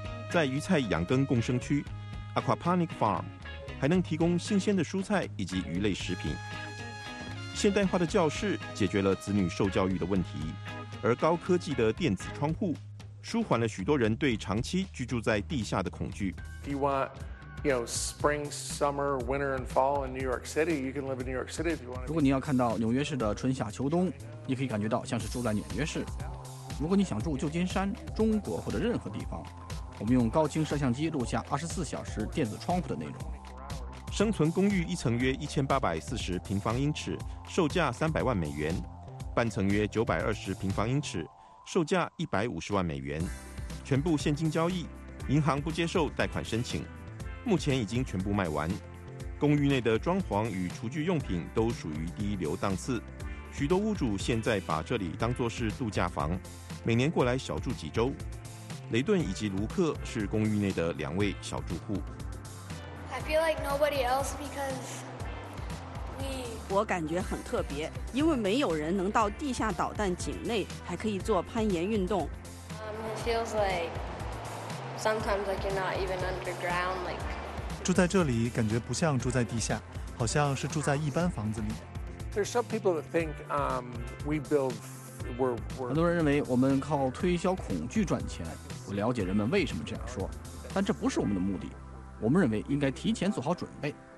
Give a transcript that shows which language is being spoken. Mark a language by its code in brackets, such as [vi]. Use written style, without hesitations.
[zh] 在鱼菜养根共生区 ，Aquaponic Farm 还能提供新鲜的蔬菜以及鱼类食品。现代化的教室解决了子女受教育的问题，而高科技的电子窗户舒缓了许多人对长期居住在地下的恐惧。 [en] If you want, you know, spring, summer, winter, and fall in New York City, you can live in New York City if you want. [zh] 如果你要看到纽约市的春夏秋冬，你可以感觉到像是住在纽约市。如果你想住旧金山、中国或者任何地方，我们用高清摄像机录下24小时电子窗户的内容。生存公寓一层约1840平方英尺，售价300万美元；半层约920平方英尺。售价150万美元，全部现金交易，银行不接受贷款申请，目前已经全部卖完。公寓内的装潢与厨具用品都属于第一流档次，许多屋主现在把这里当作是度假房，每年过来小住几周。雷顿以及卢克是公寓内的两位小住户。 [en] I feel like nobody else because 我 [zh] 感觉很特别，因为没有人能到地下导弹井内还可以做攀岩运动。 [en] It feels like sometimes like you're not even underground. Like [zh] 住在这里感觉不像住在地下，好像是住在一般房子里。 [en] There's some people that think we build. We're [zh] 很多人认为我们靠推销恐惧赚钱。我了解人们为什么这样说，但这不是我们的目的。我们认为应该提前做好准备。